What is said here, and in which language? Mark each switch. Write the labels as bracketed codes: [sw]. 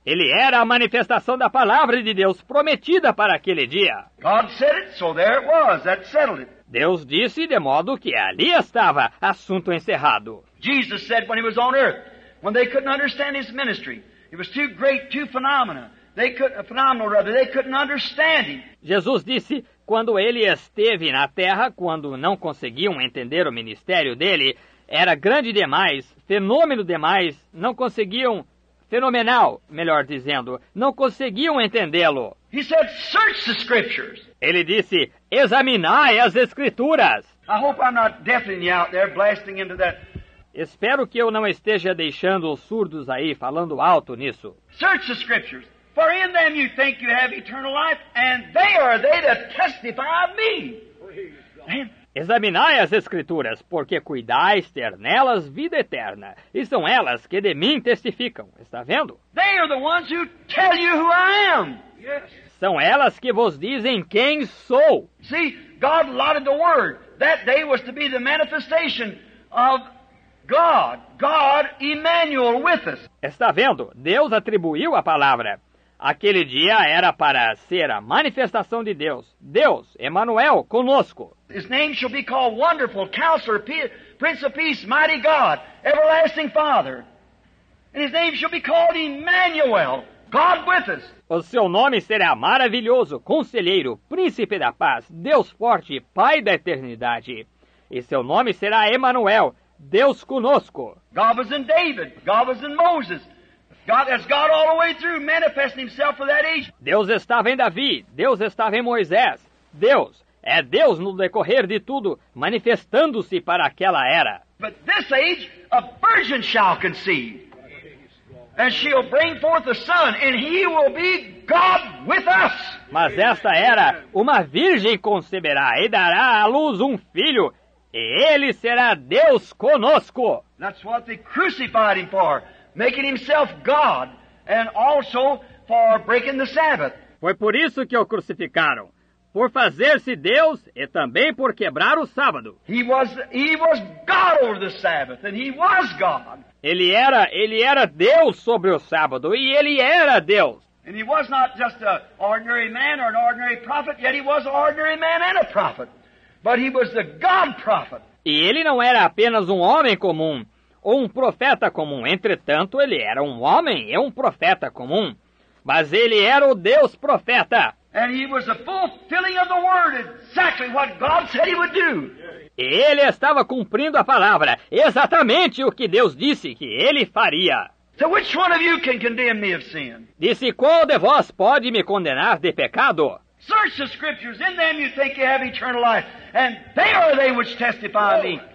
[pt] Ele era a manifestação da palavra de Deus prometida para aquele dia. [en] God said it, so there it was. That settled it. [pt] Deus disse de modo que ali estava, assunto encerrado. [en] Jesus said when he was on earth, when they couldn't understand his ministry, it was too great, too phenomenal. They couldn't understand him. [pt] Jesus disse quando ele esteve na terra, quando não conseguiam entender o ministério dele, era grande demais, fenômeno demais, não conseguiam, fenomenal, melhor dizendo, não conseguiam entendê-lo. [en] He said, "Search the scriptures." [pt] Ele disse, examinai as escrituras. [en] I hope I'm not deafening you out there, blasting into that. [pt] Espero que eu não esteja deixando os surdos aí falando alto nisso. [en] Search the scriptures, for in them you think you have eternal life, and they are they that testify of me. [pt] Examinai as escrituras, porque cuidais ter nelas vida eterna, e são elas que de mim testificam. Está vendo? [en] They are the ones who tell you who I am. Yes. [pt] São elas que vos dizem quem sou. [en] See, God allotted the word. That day was to be the manifestation of God, God Emmanuel with us. [pt] Está vendo? Deus atribuiu a palavra. Aquele dia era para ser a manifestação de Deus. Deus, Emmanuel, conosco. [en] His name shall be called Wonderful, Counselor, Prince of Peace, Mighty God, Everlasting Father. And his name shall be called Emmanuel. God with us. [pt] O seu nome será maravilhoso, Conselheiro, Príncipe da Paz, Deus Forte, Pai da Eternidade. E seu nome será Emmanuel, Deus conosco. [en] God was in David. God was in Moses. God has God all the way through, manifesting Himself for that age. [pt] Deus estava em Davi. Deus estava em Moisés. Deus é Deus no decorrer de tudo, manifestando-se para aquela era. [en] But this age, a virgin shall conceive. And she'll bring forth a son, and he will be God with us. [pt] Mas esta era, uma virgem conceberá e dará à luz um filho, e ele será Deus conosco. [en] That's what they crucified him for, making himself God, and also for breaking the Sabbath. [pt] Foi por isso que o crucificaram, por fazer-se Deus e também por quebrar o sábado. [en] He was God over the Sabbath, and he was God. [pt] Ele era Deus sobre o sábado, e ele era Deus. [en] And he was not just an ordinary man or an ordinary prophet, yet he was an ordinary man and a prophet. But he was the God prophet. [pt] E ele não era apenas um homem comum ou um profeta comum. Entretanto, ele era um homem e um profeta comum. Mas ele era o Deus profeta. [en] And he was the fulfilling of the word, exactly what God said he would do. [pt] Ele estava cumprindo a palavra, exatamente o que Deus disse que ele faria. [en] So which one of you can condemn me of sin? [pt] Disse, qual de vós pode me condenar de pecado? [en] Search the scriptures, in them you think you have eternal life, and they are they which testify of me.